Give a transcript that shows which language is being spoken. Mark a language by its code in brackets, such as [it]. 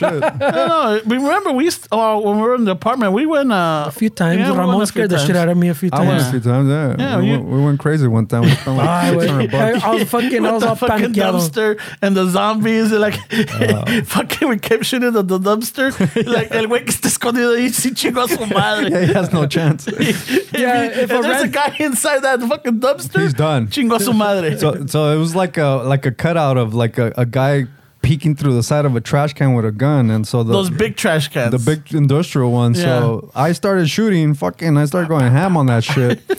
[en] No, remember when we were in the apartment, we went a few times. Yeah, Ramon scared the shit out of me a few times. I went a few times. Yeah, we went crazy one time. I was fucking dumpster and the zombies. And like, fucking, we kept shooting at the dumpster. [es] Like, el güey que está escondido ahí, si chingó su madre. [en] Yeah, he has no chance. if there's a guy inside that fucking dumpster, he's done. [es] Chingó su madre. [en] So it was like a cutout of like a guy peeking through the side of a trash can with a gun. And so those big trash cans, the big industrial ones. Yeah. So I started shooting, fucking, I started going ham on that shit.